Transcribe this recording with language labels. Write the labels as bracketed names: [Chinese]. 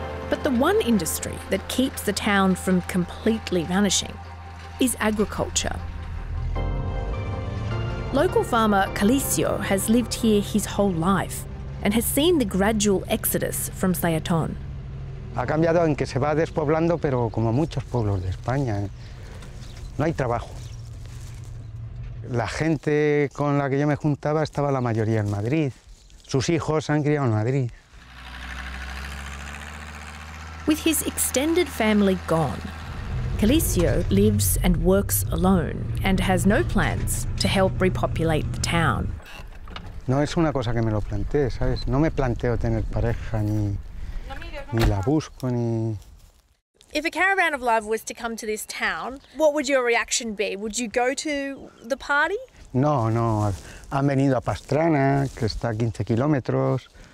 [English] But the one industry that keeps the town from completely vanishing is agriculture. Local farmer Calicio has lived here his whole life and has seen the gradual exodus from Sayaton. [Spanish] Ha cambiado en que se va despoblando, pero como muchos pueblos de España, no hay trabajo. La gente con la que yo me juntaba estaba la mayoría en Madrid. Sus hijos han criado en Madrid. [English] With his extended family gone, Calicio lives and works alone and has no plans to help repopulate the town. [Spanish] No es una cosa que me lo plantee, ¿sabes? No me planteo tener pareja ni la busco ni. [English] If a caravan of love was to come to this town, what would your reaction be? Would you go to the party? [Spanish] No, no. Han venido a Pastrana, que está a 15 kilómetros.